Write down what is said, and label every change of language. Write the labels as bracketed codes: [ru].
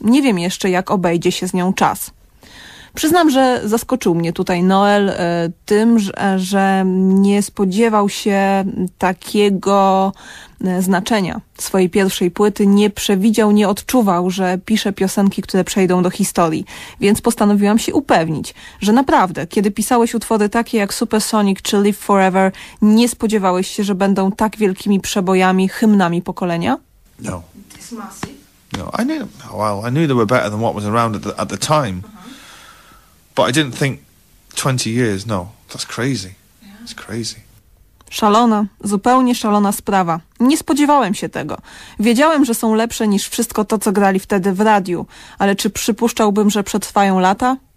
[pl] Nie wiem jeszcze, jak obejdzie się z nią czas. Przyznam, że zaskoczył mnie tutaj Noel tym, że nie spodziewał się takiego znaczenia swojej pierwszej płyty, nie przewidział, nie odczuwał, że pisze piosenki, które przejdą do historii, więc postanowiłam się upewnić, że naprawdę, kiedy pisałeś utwory takie jak Supersonic czy Live Forever, nie spodziewałeś się, że będą tak wielkimi przebojami, hymnami pokolenia? [en] No. This massive? No, I knew they were better than what was around at the time. Uh-huh. But I didn't think 20 years, no. That's crazy. Yeah. It's crazy. [pl] Szalona, zupełnie szalona sprawa. Nie spodziewałem się tego. Wiedziałem, że są lepsze niż wszystko to, co grali wtedy w radiu. Ale czy przypuszczałbym, że przetrwają lata?